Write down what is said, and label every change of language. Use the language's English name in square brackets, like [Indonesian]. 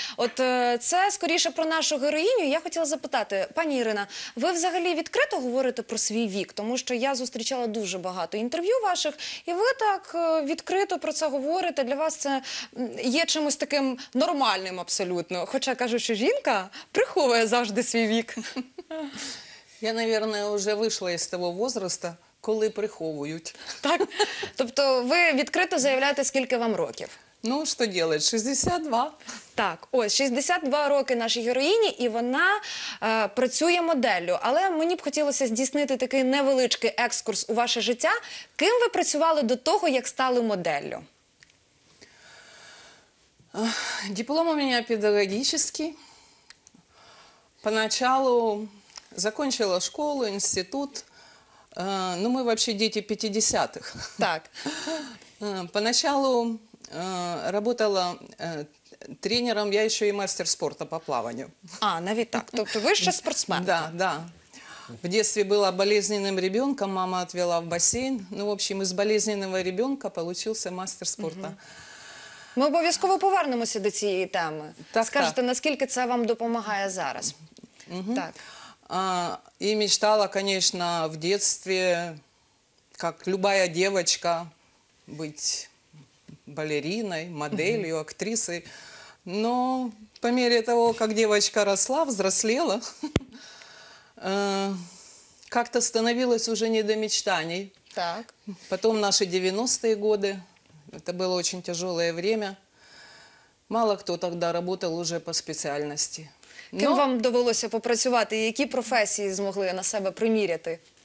[Ukrainian] От це, скоріше, про нашу героїню. Я хотіла запитати, пані Ірина, ви взагалі відкрито говорите про свій вік? Тому що я зустрічала дуже багато інтерв'ю ваших, і ви так відкрито про це говорите. Для вас це є чимось таким нормальним абсолютно. Хоча, кажу, що жінка приховує завжди свій вік. [Russian] Я, наверное, уже вышла из того возраста, [Ukrainian] коли приховують. Так? Тобто ви відкрито заявляєте, скільки вам років? Ну, що робити? 62. Так, ось, 62 роки нашій героїні, і вона працює моделлю. Але мені б хотілося здійснити такий невеличкий екскурс у ваше життя. Ким ви працювали до того, як стали моделлю? Диплом у мене педагогічний. [Russian] Поначалу закончила школу, институт. Ну, мы вообще дети 50-х. [Ukrainian] Так. [Russian] Поначалу работала тренером, я еще и мастер спорта по плаванию. А, наверное так. То есть вы еще спортсмен? Да, да. В детстве была болезненным ребенком, мама отвела в бассейн. Ну, в общем, из болезненного ребенка получился мастер спорта. [Ukrainian] Мы обов'язково повернемося до цієї теми. Так, скажете, наскільки це вам допомагає зараз? Так. [Russian] И мечтала, конечно, в детстве, как любая девочка, быть балериной, моделью, актрисой. Но по мере того, как девочка росла, взрослела, как-то становилось уже не до мечтаний. Так. Потом наши 90-е годы. Это было очень тяжелое время. Мало кто тогда работал уже по специальности. [Ukrainian] Ким вам довелося попрацювати? Які професії змогли на себе приміряти?